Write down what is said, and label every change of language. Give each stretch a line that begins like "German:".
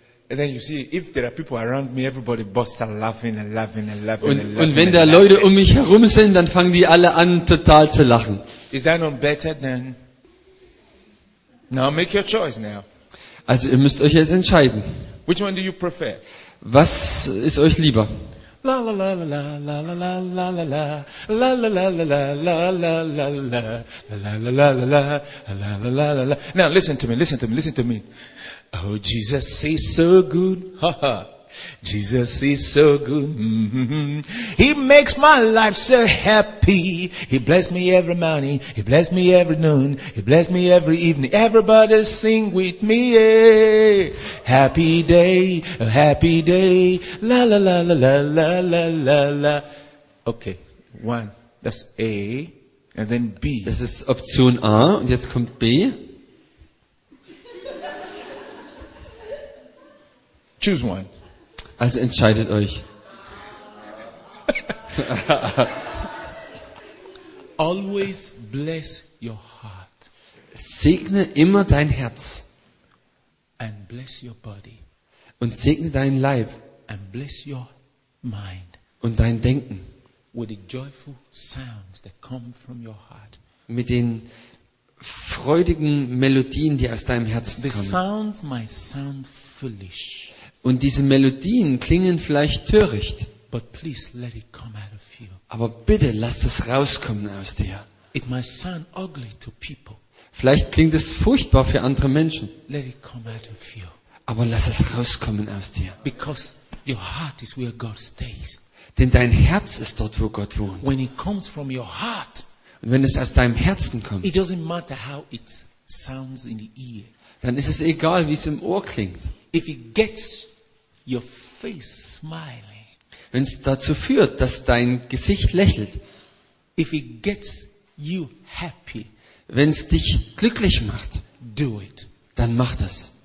English: And then you see, if there are people around me, everybody bust out laughing and laughing and laughing.
German: Und wenn da Leute um mich herum sind, dann fangen die alle an, total zu lachen.
English: Is that not better than? Now make your choice now.
German: Also ihr müsst euch jetzt entscheiden.
English: Which one do you prefer?
German: Was ist euch lieber? La la la la la la la la la la la la la la la la la la la la la la la la la la la la la la.
English: Now listen to me, listen to me, listen to me. Oh, Jesus is so good, ha ha. Jesus is so good. He makes my life so happy. He bless me every morning. He bless me every noon. He bless me every evening. Everybody sing with me. Yeah. Happy day, a happy day. La la la la la la la la la. Okay, one. That's A. And then B.
German: Das ist Option A. Und jetzt kommt B.
English: Choose one.
German: Also entscheidet euch.
English: Always bless your heart.
German: Segne immer dein Herz.
English: And bless your body.
German: Und segne deinen Leib.
English: And bless your mind.
German: Und dein Denken.
English: With the joyful sounds that come from your heart.
German: Mit den freudigen Melodien, die aus deinem Herzen kommen.
English: The sounds might sound foolish.
German: Und diese Melodien klingen vielleicht töricht.
English: But please let it come out of you.
German: Aber bitte lass das rauskommen aus dir.
English: It might sound ugly to people.
German: Vielleicht klingt es furchtbar für andere Menschen.
English: Let it come out of you.
German: Aber lass es rauskommen aus dir.
English: Because your heart is where God stays.
German: Denn dein Herz ist dort, wo Gott wohnt.
English: When it comes from your heart,
German: und wenn es aus deinem Herzen kommt,
English: it doesn't matter how it sounds in the ear.
German: dann ist es egal, wie es im Ohr klingt.
English: If it gets your face smiling,
German: wenn es dazu führt, dass dein Gesicht lächelt,
English: if it gets you happy,
German: wenn es dich glücklich macht,
English: do it.
German: Dann mach das.